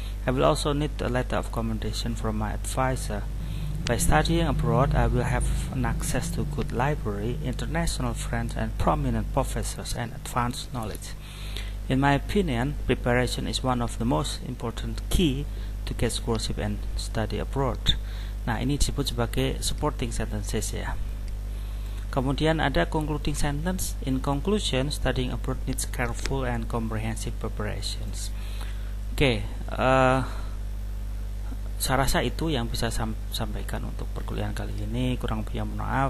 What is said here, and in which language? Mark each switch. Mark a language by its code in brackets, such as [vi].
[en] I will also need a letter of recommendation from my advisor. By studying abroad, I will have an access to good library, international friends, and prominent professors and advanced knowledge. In my opinion, preparation is one of the most important key to get scholarship and study abroad. [id] Nah, ini disebut sebagai supporting sentences, ya. Kemudian ada concluding sentence. [en] In conclusion, studying abroad needs careful and comprehensive preparations. [id] Okay, saya rasa itu yang bisa sampaikan untuk perkuliahan kali ini. Kurang lebih, mohon maaf.